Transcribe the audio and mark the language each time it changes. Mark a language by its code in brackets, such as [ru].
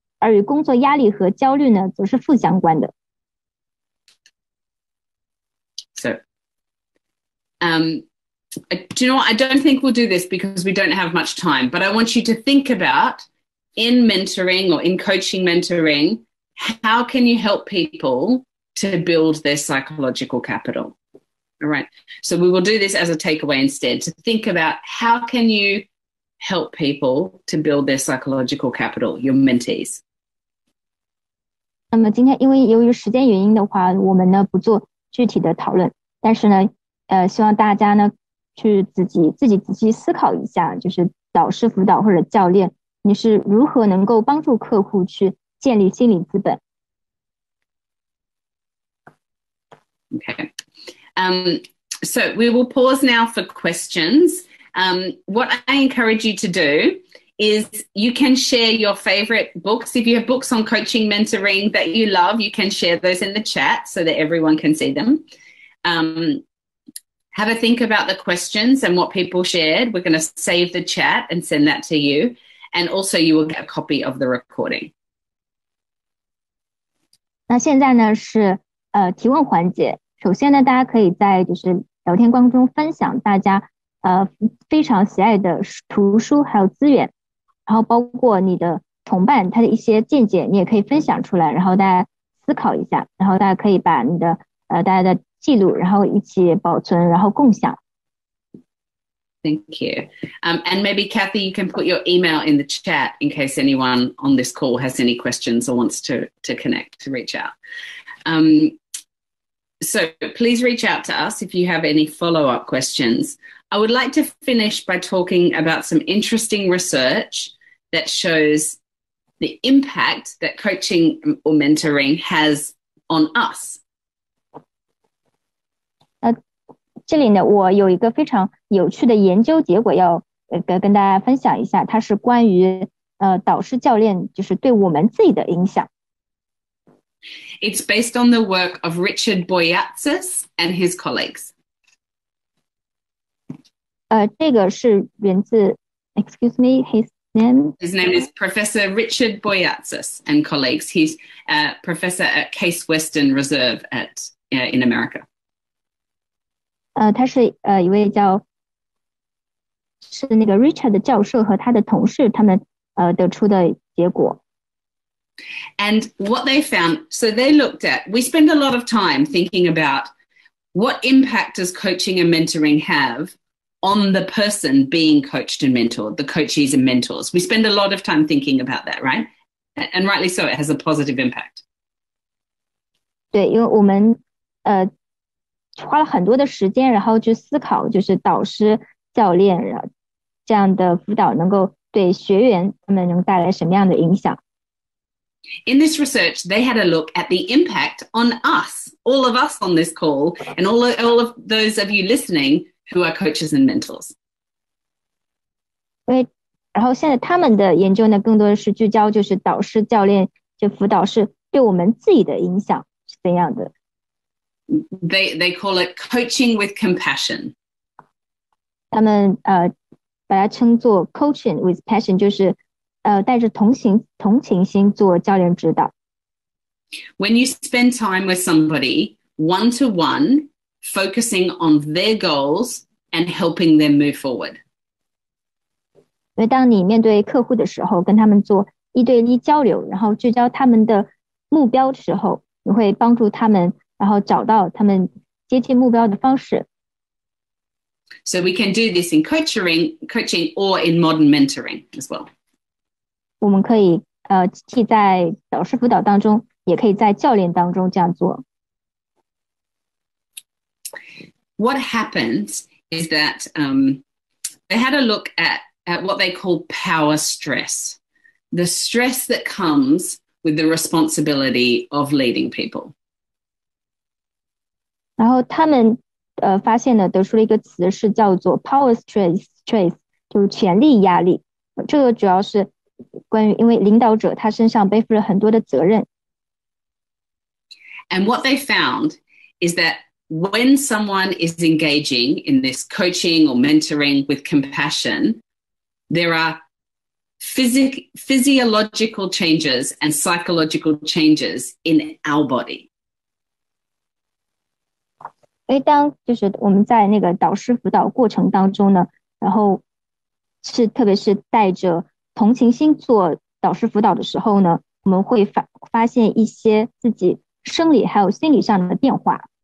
[zh] 而与工作压力和焦虑呢，则是负相关的。 [en] So, do you know what? I don't think we'll do this because we don't have much time, but I want you to think about in mentoring or in coaching mentoring, how can you help people to build their psychological capital? All right. So we will do this as a takeaway instead, to think about how can you help people to build their psychological capital, your mentees. [zh] 那么今天因为由于时间原因的话，我们呢不做具体的讨论，但是呢，希望大家呢去自己仔细思考一下，就是导师辅导或者教练，你是如何能够帮助客户去建立心理资本。 [en] Okay, so we will pause now for questions. What I encourage you to do is you can share your favorite books. If you have books on coaching, mentoring that you love, you can share those in the chat so that everyone can see them. Have a think about the questions and what people shared. We're going to save the chat and send that to you. And also you will get a copy of the recording. [zh] 那现在呢是提问环节。首先呢大家可以在就是聊天框中分享大家非常喜爱的图书还有资源。然后包括你的同伴他的一些见解你也可以分享出来然后大家思考一下然后大家可以把你的大家的记录然后一起保存然后共享。 [en] Thank you. And maybe Kathy, you can put your email in the chat in case anyone on this call has any questions or wants to connect, to reach out. So please reach out to us if you have any follow-up questions. I would like to finish by talking about some interesting research that shows the impact that coaching or mentoring has on us. [zh] 这里呢，我有一个非常有趣的研究结果要跟大家分享一下，它是关于导师教练就是对我们自己的影响。 [en] It's based on the work of Richard Boyatzis and his colleagues. [zh] 这个是源自 [en] excuse me, his name? His name is Professor Richard Boyatzis and colleagues. He's a professor at Case Western Reserve in America. [zh] 他是一位叫是那个 Richard 教授和他的同事他们得出的结果。 [en] And what they found, so they looked at, we spend a lot of time thinking about what impact does coaching and mentoring have on the person being coached and mentored, the coaches and mentors. We spend a lot of time thinking about that, right? And rightly so, it has a positive impact. [zh] 对，因为我们花了很多的时间，然后去思考，就是导师、教练这样的辅导能够对学员他们能带来什么样的影响。 [en] In this research, they had a look at the impact on us, all of us on this call, and all of those of you listening who are coaches and mentors. [zh] 对，然后现在他们的研究呢，更多的是聚焦就是导师、教练就辅导是对我们自己的影响是怎样的。 [en] They call it coaching with compassion. [zh] 他们把它称作 [en] coaching with passion, [zh] 就是带着同情心做教练指导。 [en] When you spend time with somebody one-to-one, focusing on their goals and helping them move forward. [zh] 因为当你面对客户的时候，跟他们做一对一交流，然后聚焦他们的目标的时候，你会帮助他们，然后找到他们接近目标的方式。 [en] So we can do this in coaching or in modern mentoring as well. [zh] 我们可以既在导师辅导当中，也可以在教练当中这样做。 [en] What happens is that they had a look at what they call power stress, the stress that comes with the responsibility of leading people. [zh] 然后他们发现了得出了一个词是叫做 power stress, 就是权力压力。这个主要是关于因为领导者他身上背负了很多的责任。 [en] And what they found is that when someone is engaging in this coaching or mentoring with compassion, there are physiological changes and psychological changes in our body. [zh] 因为当就是我们在那个导师辅导过程当中呢，然后是特别是带着同情心做导师辅导的时候呢，我们会发现一些自己生理还有心理上的变化。